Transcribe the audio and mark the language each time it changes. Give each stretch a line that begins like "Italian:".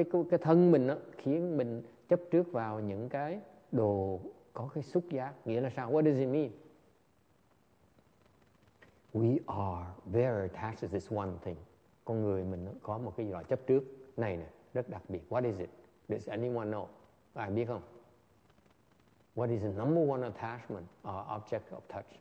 Vietnamese: Cái thân mình đó khiến mình chấp trước vào những cái đồ có cái xúc giác. Nghĩa là sao?
English: What does it mean? We are very attached to this one thing.
Vietnamese: Con người mình có một cái loại chấp trước này nè, rất đặc biệt.
English: What is it? Does anyone know?
Vietnamese: Ai biết không?
English: What is the number one attachment or object of touch?